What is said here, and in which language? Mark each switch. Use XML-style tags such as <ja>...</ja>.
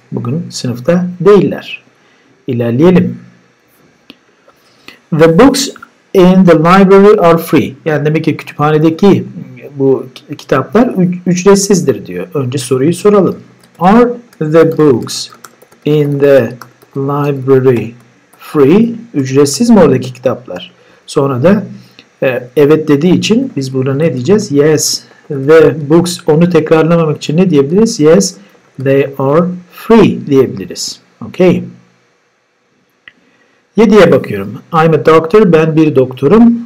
<tr>Bugün sınıfta değiller. İlerleyelim.</tr> <en>The books in the library are free.</en> <tr>Yani demek ki kütüphanedeki bu kitaplar ücretsizdir diyor. Önce soruyu soralım.</tr> <en>Are the books in the library free?</en> <tr>Ücretsiz mi oradaki kitaplar? Sonra da evet dediği için biz buna ne diyeceğiz?</tr> <en>Yes, the books.</en> <tr>Onu tekrarlamamak için ne diyebiliriz?</tr> <en>Yes, they are free</en> <tr>diyebiliriz.</tr> <en>Okay.</en> <tr>7'ye bakıyorum.</tr> <en>I'm a doctor.</en> <tr>Ben bir doktorum.</tr>